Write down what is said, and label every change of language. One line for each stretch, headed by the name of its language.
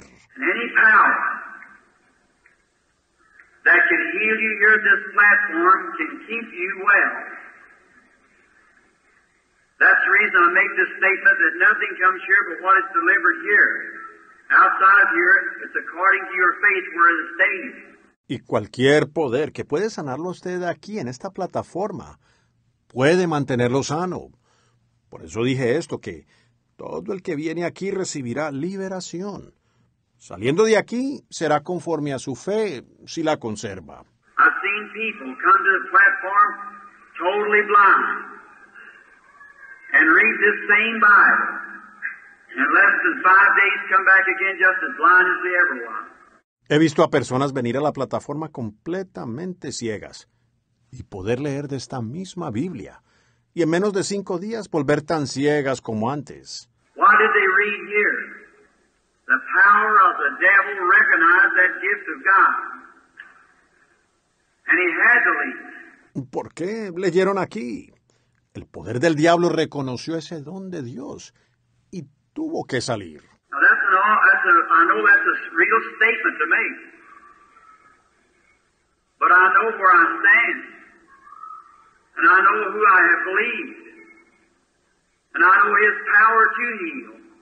English: Any power that can heal you here at this platform can keep you well. That's the reason I make this statement that nothing comes here but what is delivered here. Outside of here, it's according to your faith where it is stayed.
Spanish: Y cualquier poder que puede sanarlo usted aquí en esta plataforma puede mantenerlo sano. Por eso dije esto, que todo el que viene aquí recibirá liberación. Saliendo de aquí, será conforme a su fe si la conserva.
English: I've seen people come to the platform totally blind and read this same Bible and less than 5 days come back again just as blind as the ever was.
Spanish: He visto a personas venir a la plataforma completamente ciegas y poder leer de esta misma Biblia y en menos de 5 días volver tan ciegas como antes.
English: What did they read here? The power of the devil recognized that gift of God. And he had to leave.
Spanish: ¿Por qué leyeron aquí? El poder del diablo reconoció ese don de Dios y tuvo que salir.
English: Now I know that's a real statement to make. But I know where I stand. And I know who I have believed. And I know his power to heal.